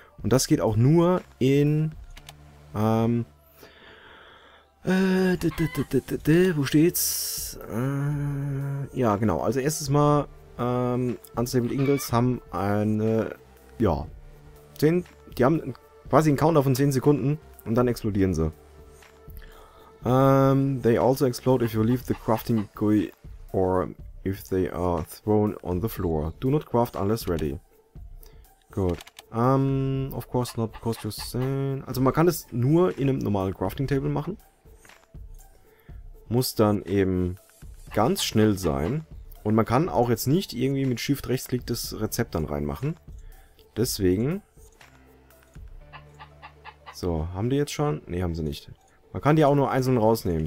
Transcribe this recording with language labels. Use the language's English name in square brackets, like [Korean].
[German] Und das geht auch nur in... wo steht's? Ja, genau. Also erstes Mal, Unstable Ingots haben eine... Ja, 10... Die haben... Quasi ein Countdown von 10 Sekunden und dann explodieren sie. [English] They also explode if you leave the crafting GUI or if they are thrown on the floor. Do not craft unless ready. [German] Gut. [English] Of course not because you're saying... [German] Also man kann es nur in einem normalen Crafting Table machen. Muss dann eben ganz schnell sein. Und man kann auch jetzt nicht irgendwie mit Shift-Rechtsklick das Rezept dann reinmachen. Deswegen... So, haben die jetzt schon? Ne, haben sie nicht. Man kann die auch nur einzeln rausnehmen.